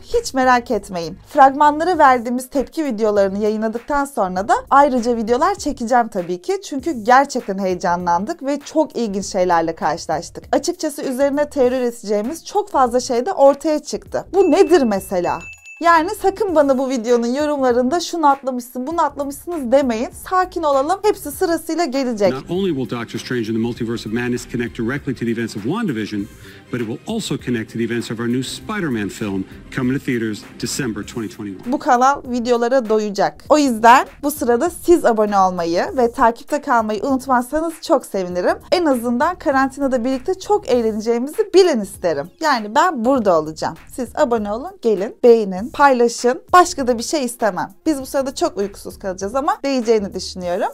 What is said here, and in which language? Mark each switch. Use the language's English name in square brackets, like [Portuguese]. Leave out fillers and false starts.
[Turkish] Hiç merak etmeyin. Fragmanlara verdiğimiz tepki videolarını yayınladıktan sonra da ayrıca videolar çekeceğim tabii ki. Çünkü gerçekten heyecanlandık ve çok ilginç şeylerle karşılaştık. Açıkçası üzerine teori üreteceğimiz çok fazla şey de ortaya çıktı. Bu nedir mesela? Yani sakın bana bu videonun yorumlarında şunu atlamışsın, bunu atlamışsınız demeyin. Sakin olalım. Hepsi sırasıyla gelecek. [English] Not only will Doctor Strange in the Multiverse of Madness connect directly to the events of WandaVision, but it will also connect to the events of our new Spider-Man film coming to theaters December 2021. [Turkish] Bu kanal videolara doyacak. O yüzden bu sırada siz abone olmayı ve takipte kalmayı unutmazsanız çok sevinirim. En azından karantinada birlikte çok eğleneceğimizi bilin isterim. Yani ben burada olacağım. Siz abone olun, gelin, beğenin, paylaşın. Başka da bir şey istemem. Biz bu sırada çok uykusuz kalacağız ama değeceğini düşünüyorum.